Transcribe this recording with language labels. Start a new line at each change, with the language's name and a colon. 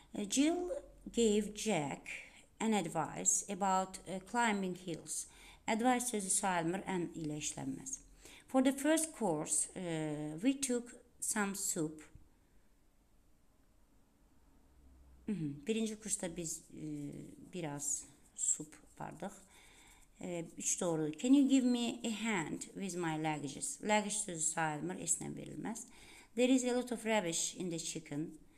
English: Jill gave Jack an advice about climbing hills.
Azerbaijani: Advice sözü sayılmır, an ilə işlənməz.
English: For the first course, we took some soup.
Azerbaijani: Birinci kursda biz biraz sup vardıq. 3 doğrudur.
English: Can you give me a hand with my luggages?
Azerbaijani: Luggage sözü sayılmır, S-nə verilməz.
English: There is a lot of rubbish in the chicken.